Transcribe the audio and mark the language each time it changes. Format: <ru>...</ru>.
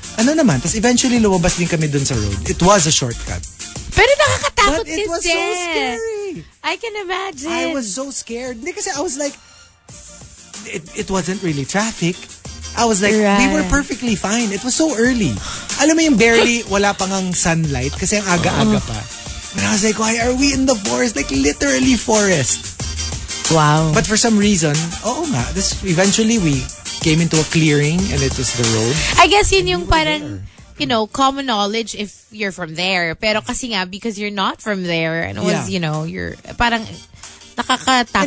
<tl>Ano naman? Tapos eventually, lumabas din kami dun sa road.</tl> <en>It was a shortcut.</en> <tl>Pero nakakatakot kasi.</tl> <en>But it was so scary. I can imagine. I was so scared. Kasi I was like, it wasn't really traffic. I was like, right. We were perfectly fine. It was so early.</en> <tl>Alam mo yung barely, wala pang ang sunlight kasi ang aga-aga pa.</tl> <en>And I was like, why are we in the forest? Like literally forest. Wow. But for some reason, oh nga, this eventually we came into a clearing and it was the road. I guess yun yung parang, you know, common knowledge if you're from there.</en> <tl>Pero kasi nga,</tl> <en>because you're not from there and it was, you know, you're</en> <tl>parang nakakatakot talaga.</tl>